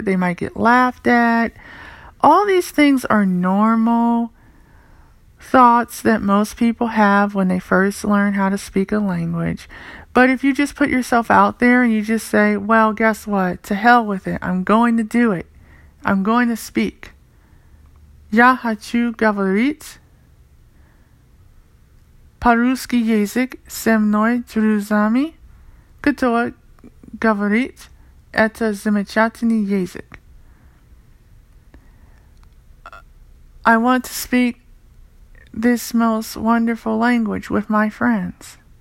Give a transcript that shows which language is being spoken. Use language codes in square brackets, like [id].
[en] They might get laughed at. All these things are normal thoughts that most people have when they first learn how to speak a language. But if you just put yourself out there and you just say, well, guess what? To hell with it. I'm going to do it. I'm going to speak. [ru] Я хочу говорить по-русски язык со мной друзьями, которые говорят это замечательный язык. [en] I want to speak this most wonderful language with my friends.